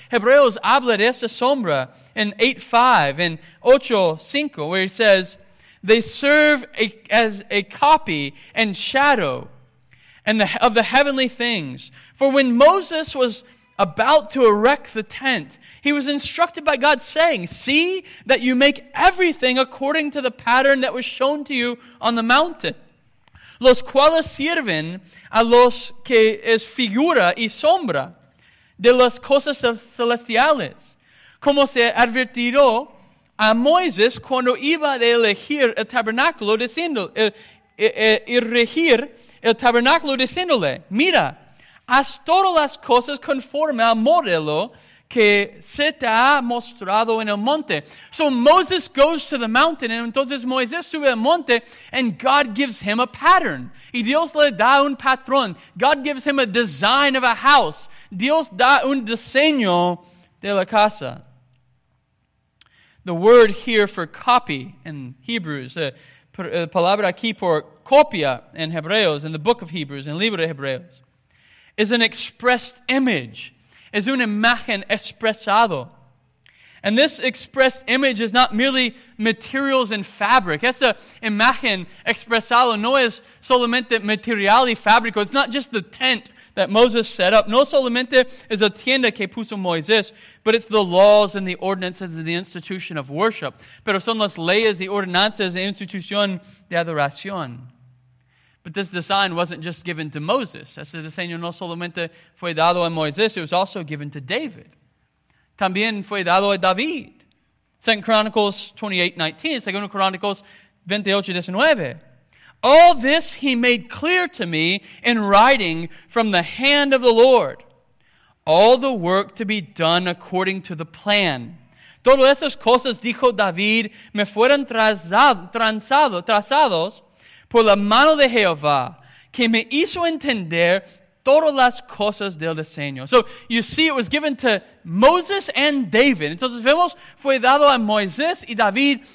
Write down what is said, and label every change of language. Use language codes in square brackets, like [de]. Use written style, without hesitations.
[es] Hebreos habla de esta sombra [en] in 8:5 and 8:5, where he says, they serve as a copy and shadow of the heavenly things. For when Moses was about to erect the tent, he was instructed by God, saying, see that you make everything according to the pattern that was shown to you on the mountain. [es] Los cuales sirven a los que es figura y sombra de las cosas celestiales. Como se advirtió a Moisés cuando iba a elegir el tabernáculo, diciendo, regir el tabernáculo, diciéndole, mira, haz todas las cosas conforme al modelo que se te ha mostrado en el monte. [en] So Moses goes to the mountain, and [es] entonces Moisés sube al monte, [en] and God gives him a pattern. [es] Y Dios le da un patrón. [en] God gives him a design of a house. [es] Dios da un diseño de la casa. [en] The word here for copy in Hebrews, [es] palabra aquí por copia [en] in Hebreos, in the book of Hebrews, in [es] libro de Hebreos, [en] is an expressed image. [es] Es una imagen expresado. [en] And this expressed image is not merely materials and fabric. [es] Esta imagen expresado no es solamente material y fabrico. [en] It's not just the tent that Moses set up. [es] No solamente es la tienda que puso Moisés, [en] but it's the laws and the ordinances of the institution of worship. [es] Pero son las leyes y ordenanzas de institución de adoración. [en] But this design wasn't just given to Moses. [es] Este diseño no solamente fue dado a Moisés, [en] it was also given to David. [es] También fue dado a David. 2 Chronicles 28:19, 2 Chronicles 28:19. [en] All this he made clear to me in writing from the hand of the Lord. All the work to be done according to the plan. [es] Todas esas cosas, dijo David, me fueron trazados por la mano de Jehová, que me hizo entender todas las cosas del diseño. [en] So you see, it was given to Moses and David. [es] Entonces vemos, fue dado a Moisés y David.